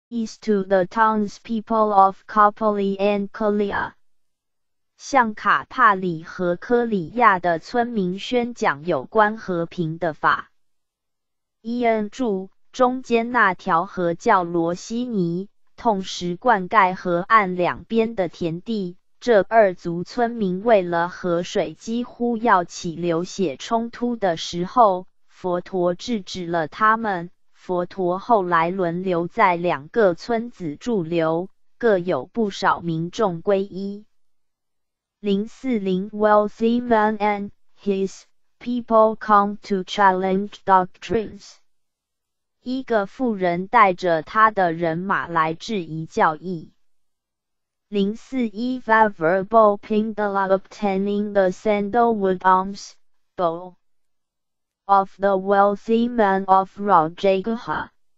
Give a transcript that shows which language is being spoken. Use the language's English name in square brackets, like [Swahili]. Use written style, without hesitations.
[English] east to the townspeople of Capoli and Colia. [Chinese] 向卡帕里和科里亚的村民宣讲有关和平的法。伊恩注：中间那条河叫罗西尼，同时灌溉河岸两边的田地。这二族村民为了河水几乎要起流血冲突的时候，佛陀制止了他们。佛陀后来轮流在两个村子驻留，各有不少民众皈依。 [English] 040 Wealthy man and his people come to challenge doctrines. [Chinese] 一个富人带着他的人马来质疑教义。 [English] 041 Favorable Pindala obtaining the sandalwood arms bowl of the wealthy man of Rajagaha.